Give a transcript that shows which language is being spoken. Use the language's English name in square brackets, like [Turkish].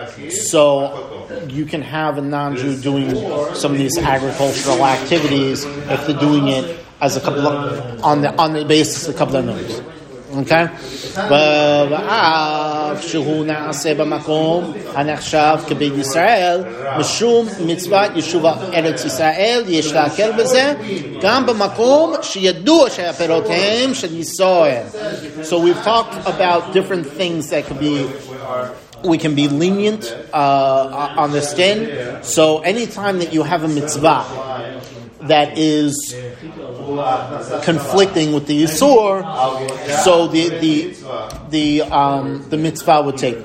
[English] So you can have a non-Jew doing some of these agricultural activities if they're doing it as a couple of, on the basis of a couple of notes. Okay? [Hebrew] ואף שהוא נעשה במקום הנחשב כבית ישראל משום מצוות יישוב ארץ ישראל יש להקל בזה גם במקום שידוע שהפירות הם של ישראל. [English] So we've talked about different things that could be, we can be lenient on this din. So anytime that you have a mitzvah that is conflicting with the yisur, so the mitzvah would take.